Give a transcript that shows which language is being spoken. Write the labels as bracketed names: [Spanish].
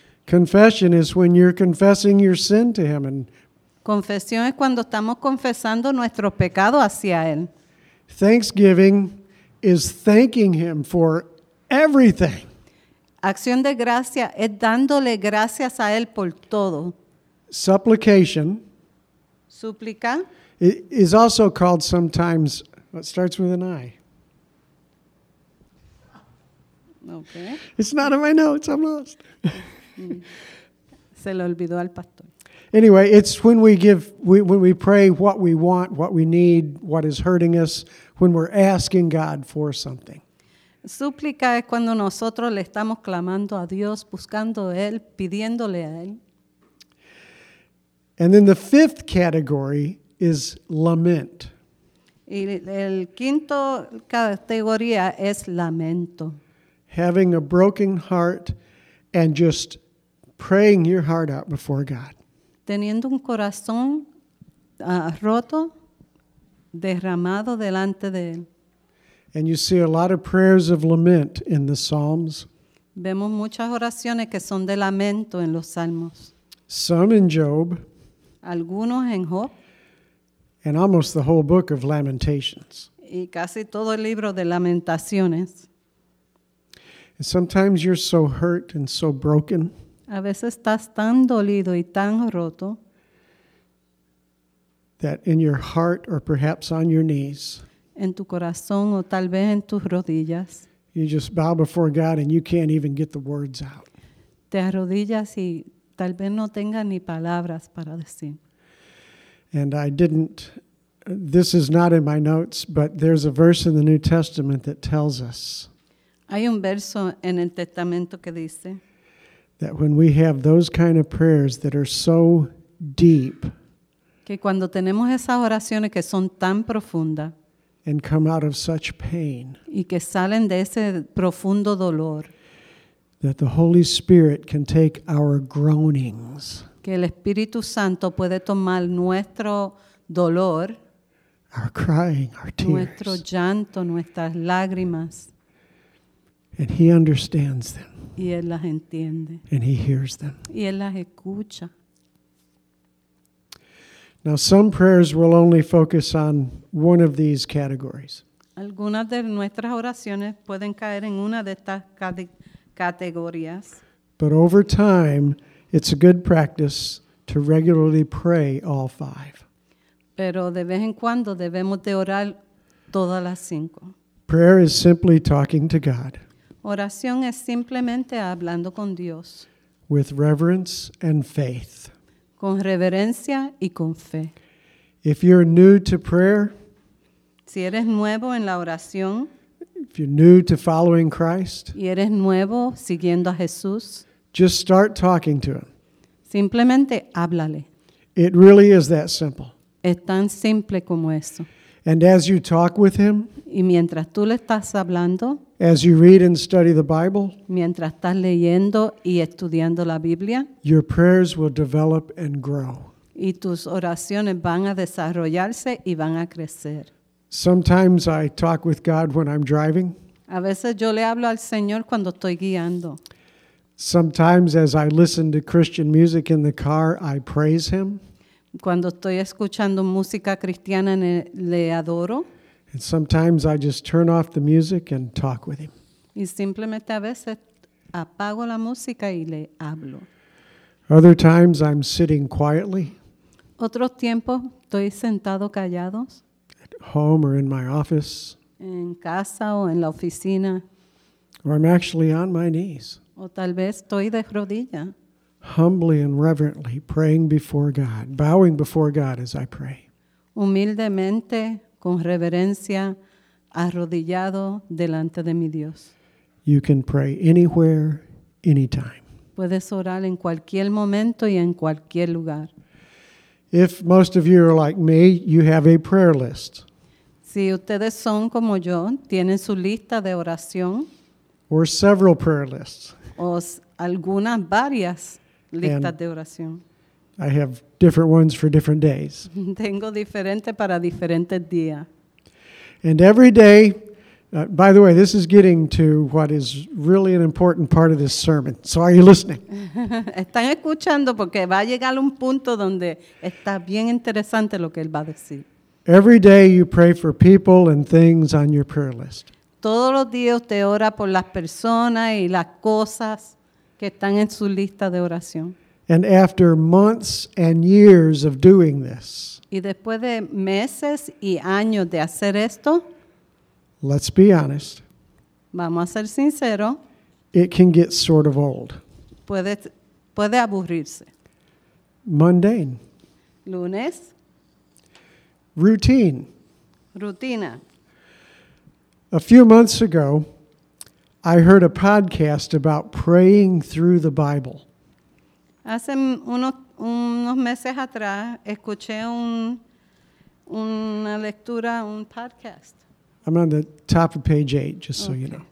[English] Confession is when you're confessing your sin to Him. And [Spanish] confesión es cuando estamos confesando nuestro pecado hacia Él. [English] Thanksgiving is thanking Him for everything. [Spanish] Acción de gracia es dándole gracias a Él por todo. [English] Supplication. [Spanish] Súplica. [English] It is also called sometimes, it starts with an I. Okay. It's not in my notes, I'm lost. [Spanish] Se le olvidó al pastor. [English] Anyway, it's when we give, when we pray what we want, what we need, what is hurting us, when we're asking God for something. [Spanish] Súplica es cuando nosotros le estamos clamando a Dios, buscando a Él, pidiéndole a Él. [English] And then the fifth category is lament. [Spanish] Y el quinto categoría es lamento. [English] Having a broken heart and just praying your heart out before God. [Spanish] Teniendo un corazón roto, derramado delante de Él. [English] And you see a lot of prayers of lament in the Psalms. [Spanish] Vemos muchas oraciones que son de lamento en los Salmos. [English] Some in Job. [Spanish] Algunos en Job. [English] And almost the whole book of Lamentations. [Spanish] Y casi todo el libro de Lamentaciones. [English] And sometimes you're so hurt and so broken. [Spanish] A veces estás tan dolido y tan roto. [English] That in your heart or perhaps on your knees. [Spanish] En tu corazón o tal vez en tus rodillas. [English] You just bow before God and you can't even get the words out. [Spanish] Te arrodillas y tal vez no tengas ni palabras para decir. [English] And I didn't, this is not in my notes, but there's a verse in the New Testament that tells us. [Spanish] Hay un verso en el Testamento que dice. [English] That when we have those kind of prayers that are so deep. [Spanish] Que cuando tenemos esas oraciones que son tan profundas. [English] And come out of such pain. [Spanish] Y que salen de ese profundo dolor. [English] That the Holy Spirit can take our groanings. [Spanish] Que el Espíritu Santo puede tomar nuestro dolor. [English] Our crying, our tears. [Spanish] Nuestro llanto, nuestras lágrimas. [English] And He understands them. [Spanish] Y Él las entiende. [English] And He hears them. [Spanish] Y Él las escucha. [English] Now, some prayers will only focus on one of these categories. [Spanish] Algunas de nuestras oraciones pueden caer en una de estas categorías. [English] But over time, it's a good practice to regularly pray all five. [Spanish] Pero de vez en cuando debemos de orar todas las cinco. [English] Prayer is simply talking to God. [Spanish] Oración es simplemente hablando con Dios. [English] With reverence and faith. [Spanish] Con reverencia y con fe. [English] If you're new to prayer, [Spanish] si eres nuevo en la oración, [English] if you're new to following Christ, [Spanish] y eres nuevo siguiendo a Jesús, [English] just start talking to Him. [Spanish] Simplemente háblale. [English] It really is that simple. [Spanish] Es tan simple como eso. [English] And as you talk with Him, [Spanish] y mientras tú le estás hablando, [English] as you read and study the Bible, [Spanish] mientras estás leyendo y estudiando la Biblia, [English] your prayers will develop and grow. [Spanish] Y tus oraciones van a desarrollarse y van a crecer. [English] Sometimes I talk with God when I'm driving. [Spanish] A veces yo le hablo al Señor cuando estoy guiando. [English] Sometimes as I listen to Christian music in the car, I praise Him. [Spanish] Cuando estoy escuchando música cristiana, le adoro. [English] And sometimes I just turn off the music and talk with Him. [Spanish] Y simplemente a veces apago la música y le hablo. [English] Other times I'm sitting quietly. [Spanish] Otros tiempos estoy sentado callado. [English] At home or in my office. [Spanish] En casa o en la oficina. [English] Or I'm actually on my knees. [Spanish] O tal vez estoy de rodillas. [English] humbly and reverently praying before God, bowing before God as I pray. [Spanish] Humildemente, con reverencia, arrodillado delante de mi Dios. [English] You can pray anywhere, anytime. [Spanish] Puedes orar en cualquier momento y en cualquier lugar. [English] If most of you are like me, you have a prayer list. [Spanish] Si ustedes son como yo, tienen su lista de oración. [English] Or several prayer lists. [Spanish] O algunas varias listas and de oración. [English] I have different ones for different days. [Spanish] Tengo diferente para diferentes días. [English] And every day, by the way, this is getting to what is really an important part of this sermon. So are you listening? [Spanish] Están escuchando porque va a llegar un punto donde está bien interesante lo que él va a decir. [English] Every day you pray for people and things on your prayer list. [Spanish] Todos los días usted ora por las personas y las cosas que están en su lista de oración. [English] And after months and years of doing this, [Spanish] y después de meses y años de hacer esto, [English] let's be honest. [Spanish] Vamos a ser sincero. [English] It can get sort of old. [Spanish] Puede aburrirse. [English] Mundane. [Spanish] Lunes. [English] Routine. [Spanish] Rutina. [English] A few months ago, I heard a podcast about praying through the Bible. [Spanish] Hace unos meses atrás escuché una lectura, un podcast. [English] I'm on the top of page 8, just so you know.